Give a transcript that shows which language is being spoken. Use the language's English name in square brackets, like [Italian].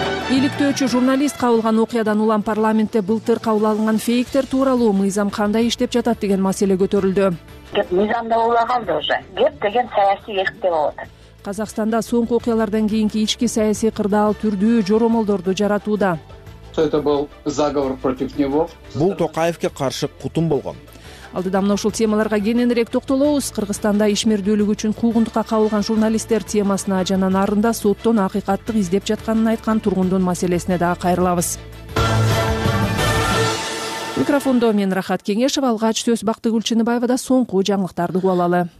[Kyrgyz] Иликтөөчү журналист кабылган окуядан улам парламентте былтыр кабыл алынган фейктер тууралуу мыйзам кандай иштеп жатат деген маселе көтөрүлдү. Мыйзам да улаганды уже. Кеп деген саясий эрктеп болот. Казакстанда соңку окуялардан кийинки ички саясий кырдаал түрдүү жоромолдорду жаратууда. [Russian] Это был заговор против него. [Kyrgyz] Бул Токаевке каршы кутум болгон. Алдыда мына ушул темаларга кененирээк токтолобуз. Кыргызстанда ишмердүүлүгү үчүн куугунтукка кабылган журналисттер темасына жана нарында соттон акыйкаттык издеп жатканын айткан тургундун маселесине дагы кайрылабыз. Микрофондо мен Рахат Кеңешова, алгач сөз Бактыгүл Чыныбаевада соңку жаңылыктарды кубалалы.